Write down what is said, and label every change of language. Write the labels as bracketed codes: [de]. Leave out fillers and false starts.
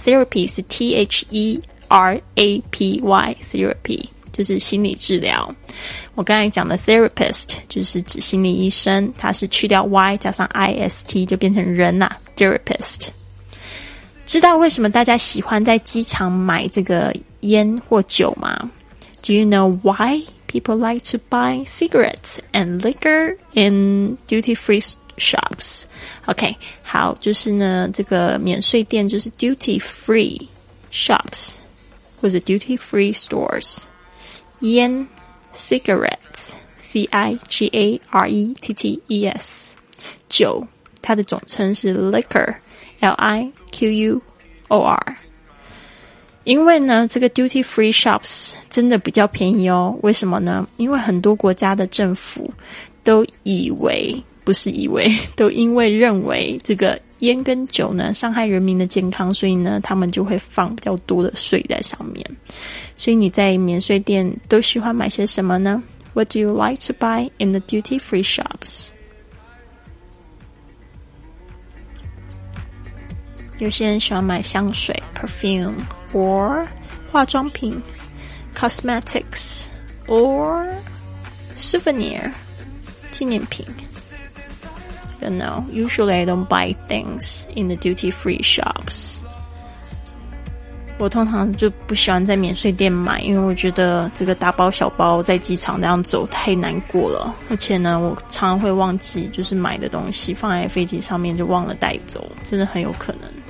[zh] Therapy 是 T-H-E-R-A-P-Y Therapy 就是心理治疗，我刚才讲的 therapist 就是指心理医生，它是去掉 y 加上 ist 就变成人啦， therapist。知道为什么大家喜欢在机场买这个烟或酒吗？ [en] Do you know why people like to buy cigarettes and liquor in duty free shops? [zh] OK， 好，就是呢这个免税店就是 duty free shops 或者 duty free stores， 烟 [en] Cigarettes, C-I-G-A-R-E-T-T-E-S. [zh] 酒它的总称是 liquor, L-I-Q-U-O-R. 因为呢这个 duty free shops 真的比较便宜哦。为什么呢？因为很多国家的政府都以为，不是以为，都因为认为这个烟跟酒呢伤害人民的健康，所以呢他们就会放比较多的税在上面。所以你在免税店都喜欢买些什么呢？ [en] What do you like to buy in the duty free shops? [zh] 有些人喜欢买香水 [en] perfume or [zh] 化妆品 cosmetics or souvenir, 纪念品。 [en] You know, usually I don't buy things in the duty-free shops. [zh] 我通常就不喜欢在免税店买，因为我觉得这个大包小包在机场那样走太难过了。而且呢，我常常会忘记就是买的东西放在飞机上面就忘了带走，真的很有可能。